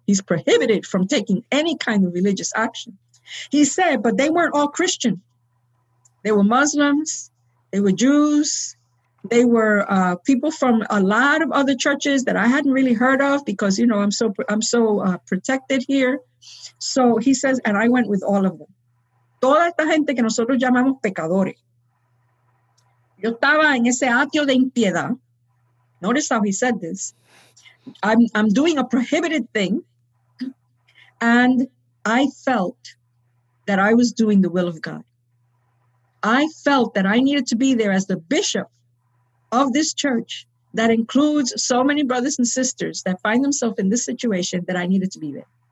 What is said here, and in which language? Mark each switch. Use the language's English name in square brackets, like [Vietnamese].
[English] He's prohibited from taking any kind of religious action. He said, but they weren't all Christian. They were Muslims. They were Jews. They were people from a lot of other churches that I hadn't really heard of because, you know, I'm so protected here. So he says, and I went with all of them. [Spanish] Toda esta gente que nosotros llamamos pecadores. Yo estaba en ese atrio de impiedad. [English] Notice how he said this. I'm doing a prohibited thing. And I felt that I was doing the will of God. I felt that I needed to be there as the bishop of this church that includes so many brothers and sisters that find themselves in this situation that I needed to be there.